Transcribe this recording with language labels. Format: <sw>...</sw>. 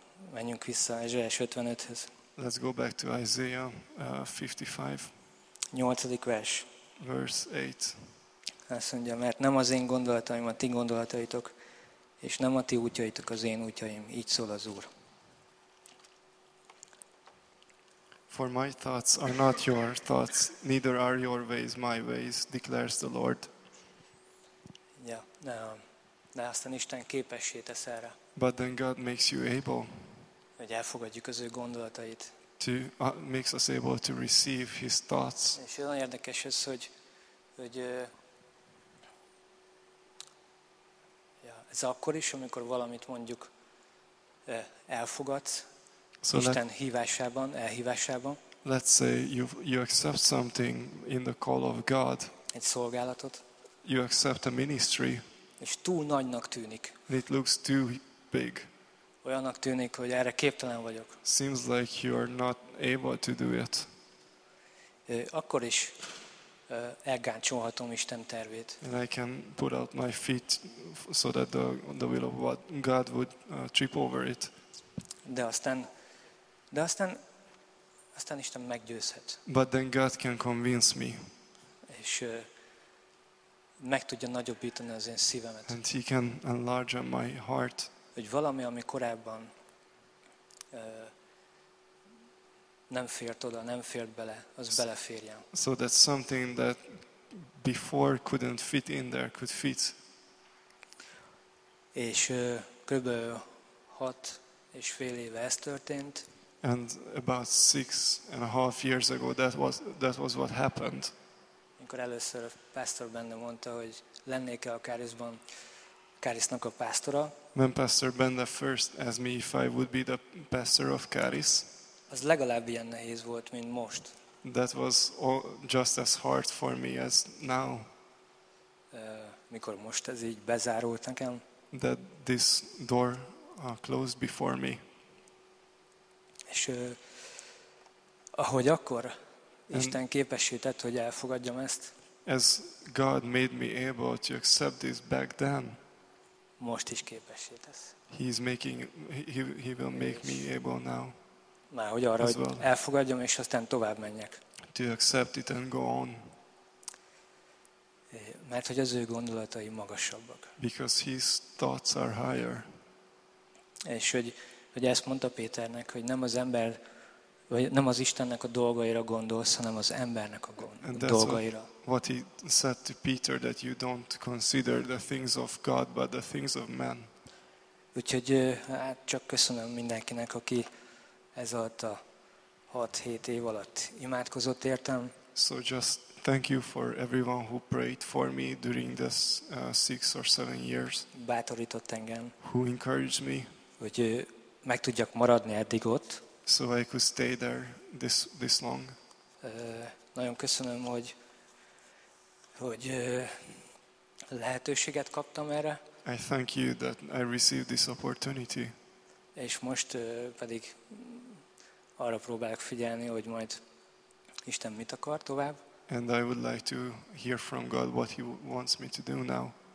<hu>Menjünk vissza Ézsaiás 55-höz.</hu> <en>Let's go back to Isaiah 55.</en> <hu>8. vers.</hu> <en>Verse 8.</en> <hu>Azt mondja, mert nem az én gondolataim a ti gondolataitok, és nem a ti útjaitok az én útjaim. Így szól az Úr.</hu> <en>For my thoughts are not your thoughts, neither are your ways my ways, declares the Lord.</en> <hu>Ja, de aztán Isten képessé tesz erre.</hu> <en>But then God makes you able.</en> <hu>Hogy elfogadjuk az ő gondolatait.</hu> <en>Makes us able to receive his thoughts.</en> <hu>És olyan érdekes ez, hogy ez akkor is, amikor valamit mondjuk elfogadsz. So Isten hívásában, elhívásában.</hu> <en>Let's say you accept something in the call of God.</en> <hu>Egy szolgálatot.</hu> <en>You accept a ministry.</en> <hu>És túl nagynak tűnik.</hu> <en>And it looks too big.</en> <hu>Olyannak tűnik, hogy erre képtelen vagyok.</hu> <en>Seems like you are not able to do it.</en> <hu>Akkor is elgáncsolhatom Isten tervét.</hu> <en>And I can put out my feet so that the will of God would trip over it.</en> <hu>De aztán aztán Isten meggyőzhet.</hu> <en>But then God can convince me.</en> <hu>És meg tudja nagyobbítani az én szívemet.</hu> <en>And he can enlarge my heart.</en> <hu>Hogy valami, ami korábban nem fért oda, nem fért bele, az beleférjen.</hu> <en>So that something that before couldn't fit in there could fit.</en> <hu>És kb. 6.5 éve ez történt.</hu> <en>And about 6.5 years ago that was what happened.</en> <hu>Amikor először a pastor Bende mondta, hogy lennék-e a Kárisznak a pásztora.</hu> <en>When Pastor Bende first asked me if I would be the pastor of Káris.</en> <hu>Az legalább ilyen nehéz volt, mint most.</hu> <en>That was all just as hard for me as now.</en> <hu>Mikor most ez így bezárult nekem.</hu> <en>That this door closed before me.</en> <hu>És ahogy akkor Isten képessé tett, hogy elfogadjam ezt.</hu> <en>As God made me able to accept this back then.</en> <hu>Most is képessé tesz.</hu> <en>He will make me able now.</en> <hu>Már hogy arra, hogy elfogadjam, és aztán tovább menjek.</hu> <en>To accept it and go on.</en> <hu>Mert hogy az ő gondolatai magasabbak.</hu> <en>Because his thoughts are higher.</en> <hu>És hogy ezt mondta Péternek, hogy nem az ember, vagy nem az Istennek a dolgaira gondolsz, hanem az embernek a dolgaira.</hu> <en>What he said to Peter, that you don't consider the things of God, but the things of man.</en> <hu>Úgyhogy hát csak köszönöm mindenkinek, aki ez alatt a 6-7 év alatt imádkozott értem.</hu> <en>So just thank you for everyone who prayed for me during this 6 or 7 years.</en> <hu>Bátorított engem.</hu> <en>Who encouraged me.</en> <hu>Hogy meg tudjak maradni eddig ott.</hu> <en>So I could stay there this long.</en> <hu>Nagyon köszönöm, hogy lehetőséget kaptam erre.</hu> <en>I thank you that I received this opportunity.</en> <hu>És most pedig arra próbálok figyelni, hogy majd Isten mit akar tovább.</hu> <en>And I would like to hear from God what he wants me to do now.</en>